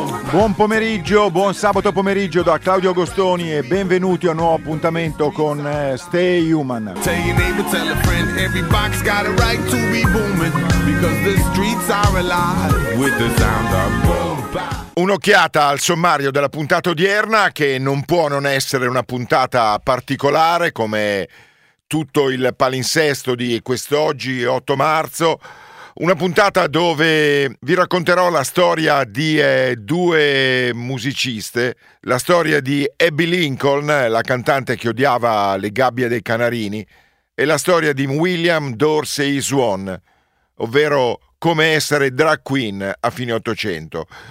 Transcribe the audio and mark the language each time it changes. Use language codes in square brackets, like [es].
[it] Buon pomeriggio, buon sabato pomeriggio da Claudio Agostoni e benvenuti a un nuovo appuntamento con Stay Human. [en] Tell your neighbor, tell a friend, every box got a right to be booming, because the streets are alive with the sound of boom. [it] Un'occhiata al sommario della puntata odierna, che non può non essere una puntata particolare come tutto il palinsesto di quest'oggi, 8 marzo, una puntata dove vi racconterò la storia di due musiciste, la storia di Abby Lincoln, la cantante che odiava le gabbie dei canarini, e la storia di William Dorsey Swan, ovvero come essere drag queen a fine 800.